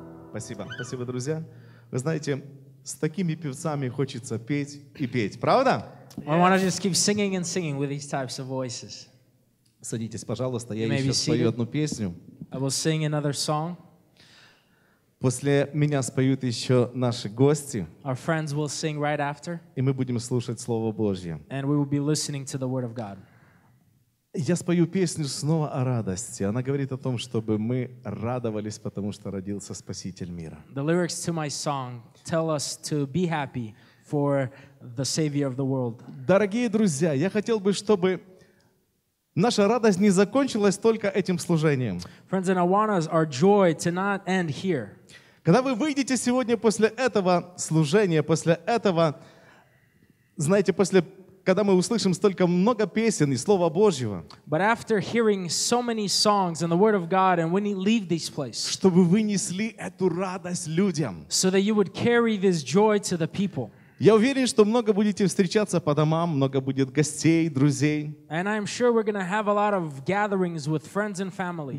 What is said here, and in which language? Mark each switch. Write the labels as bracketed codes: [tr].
[ru] Спасибо, друзья. Вы знаете, с такими певцами хочется петь и петь, правда? [en] I want to just keep singing and singing with these types of voices. [ru] Садитесь, пожалуйста, я еще спою одну песню. [en] I will sing another song. [ru] После меня споют еще наши гости. [en] Our friends will sing right after. [ru] И мы будем слушать Слово Божье. [en] And we will be listening to the Word of God. [ru] Я спою песню снова о радости. Она говорит о том, чтобы мы радовались, потому что родился Спаситель мира. [en] The lyrics to my song tell us to be happy for the Savior of the world. [ru] Дорогие друзья, я хотел бы, чтобы наша радость не закончилась только этим служением. [en] Friends, and I want us our joy to not end here. [ru] Когда вы выйдете сегодня после этого служения, после этого, знаете, после... Когда мы услышим столько много песен и Слова Божьего, [en] but after hearing so many songs and the Word of God, and when you leave this place, [ru] чтобы вы несли эту радость людям, [en] so that you would carry this joy to the people, [ru] Я уверен, что много будете встречаться по домам, много будет гостей, друзей. [en] And I'm sure we're going to have a lot of gatherings with friends and family.